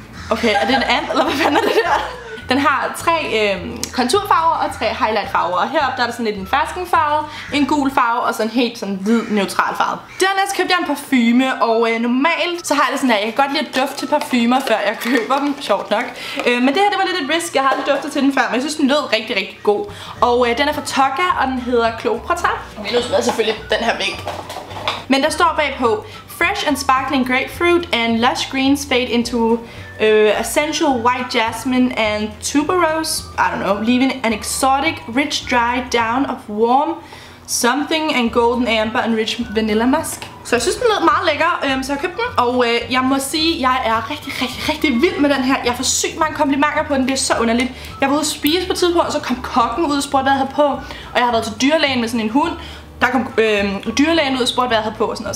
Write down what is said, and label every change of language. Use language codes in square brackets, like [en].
[da] Okay, er det en and, eller hvad fanden er det der? Den har 3 konturfarver og 3 highlightfarver. Og heroppe der er der sådan lidt en ferskenfarve, en gul farve og sådan en helt sådan hvid neutral farve. Dernæst købte jeg en parfume, og normalt så har jeg det sådan, at jeg kan godt lide at dufte parfumer, før jeg køber dem. Sjovt nok. Men det her, det var lidt et risk. Jeg har aldrig duftet til den før, men jeg synes, den lød rigtig, rigtig god. Og den er fra Tokka, og den hedder Cleopatra. Vi nu smider selvfølgelig den her væk. Men der står bagpå, [en] fresh and sparkling grapefruit and lush greens fade into essential white jasmine and tuberose, I don't know, leaving an exotic rich dry down of warm something and golden amber and rich vanilla musk. [da] Så jeg synes, den lød meget lækker, så jeg købte den. Og jeg må sige, jeg er rigtig, rigtig, rigtig vild med den her. Jeg får sygt mange komplimenter på den, det er så underligt. Jeg var ude at spise på tidspunkt, og så kom kokken ud og spurgte, hvad jeg havde på. Og jeg har været til dyrlægen med sådan en hund. Der kom dyrlægen ud og spurgte, hvad jeg havde på og sådan noget.